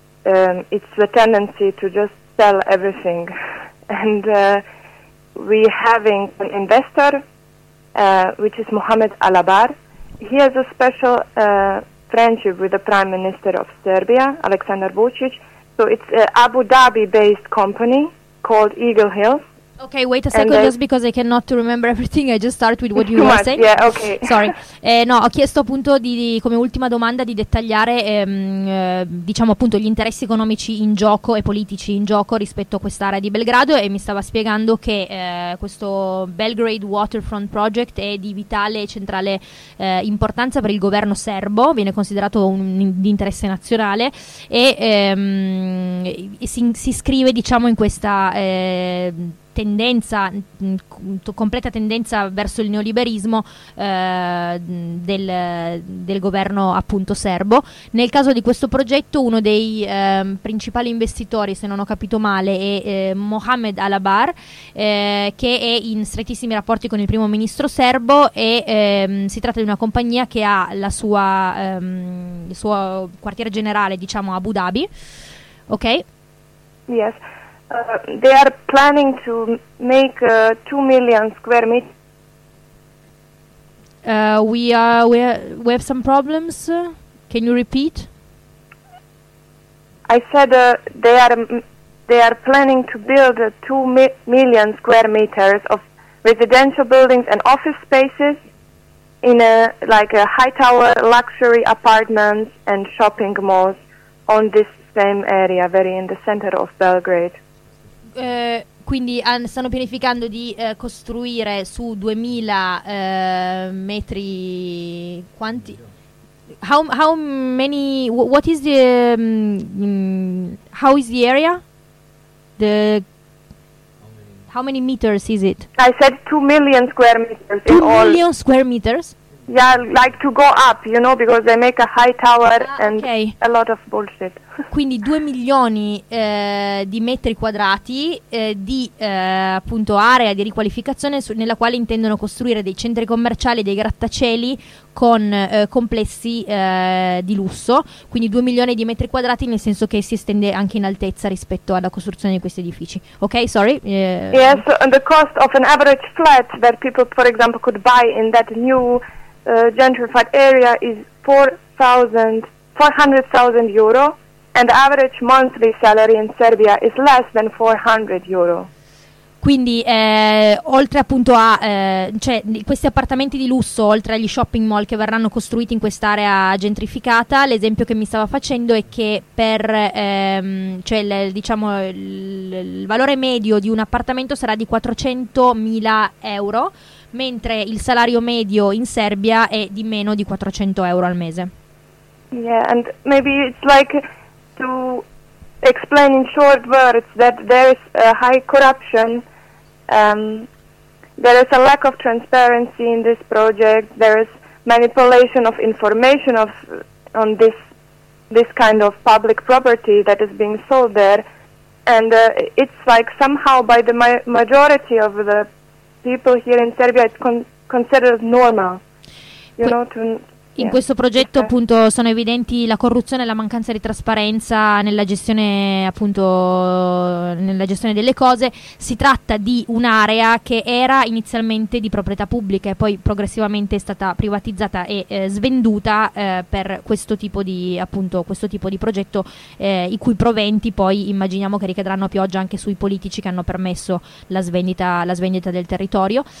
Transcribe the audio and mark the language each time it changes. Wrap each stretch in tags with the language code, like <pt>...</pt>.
<en>It's the tendency to just sell everything, and we having an investor, which is Mohamed Alabar. He has a special friendship with the Prime Minister of Serbia, Aleksandar Vučić. So it's an Abu Dhabi-based company called Eagle Hill. Okay, wait a second, just because I cannot remember everything, I just start with what you were saying. Yeah, okay. Sorry.</en> <it>No, ho chiesto appunto di come ultima domanda di dettagliare gli interessi economici in gioco e politici in gioco rispetto a quest'area di Belgrado, e mi stava spiegando che questo Belgrade Waterfront Project è di vitale e centrale importanza per il governo serbo, viene considerato di interesse nazionale e si iscrive, diciamo, in questa completa tendenza verso il neoliberismo del governo appunto serbo. Nel caso di questo progetto, uno dei principali investitori, se non ho capito male, è Mohamed Alabar, che è in strettissimi rapporti con il primo ministro serbo, e si tratta di una compagnia che ha la sua il suo quartier generale, diciamo, a Abu Dhabi. Ok?</it> <en>Yes. They are planning to make 2 million square meters. We have some problems. Can you repeat? I said they are planning to build 2 million square meters of residential buildings and office spaces in a high tower luxury apartments and shopping malls on this same area, very in the center of Belgrade.</en> <it>Quindi stanno pianificando di costruire su 2000 metri quanti?</it> <en>How many? What is the how is the area? The how many meters is it? I said 2 million square meters. Two million square meters. Yeah, like to go up, you know, because they make a high tower and okay. A lot of bullshit.</en> <it>Quindi 2 milioni di metri quadrati appunto area di riqualificazione nella quale intendono costruire dei centri commerciali, dei grattacieli con complessi di lusso. Quindi 2 milioni di metri quadrati, nel senso che si estende anche in altezza rispetto alla costruzione di questi edifici.</it> <en>Ok, sorry. Yes, so, and the cost of an average flat that people, for example, could buy in that new gentrified area is 400,000 euro, and the average monthly salary in Serbia is less than 400 euro.</en> <it>Quindi oltre appunto a questi appartamenti di lusso, oltre agli shopping mall che verranno costruiti in quest'area gentrificata, l'esempio che mi stava facendo è che per il valore medio di un appartamento sarà di 400.000 euro, mentre il salario medio in Serbia è di meno di 400 euro al mese.</it> <en>Yeah, and maybe it's like to explain in short words that there is a high corruption, there is a lack of transparency in this project, there is manipulation of information on this kind of public property that is being sold there, and it's like somehow by the majority of the people here in Serbia it's considered normal, you know, to...</en> <it>In questo progetto appunto sono evidenti la corruzione e la mancanza di trasparenza nella gestione, appunto, nella gestione delle cose. Si tratta di un'area che era inizialmente di proprietà pubblica e poi progressivamente è stata privatizzata e svenduta per questo tipo di progetto, i cui proventi poi immaginiamo che ricadranno a pioggia anche sui politici che hanno permesso la svendita del territorio.</it>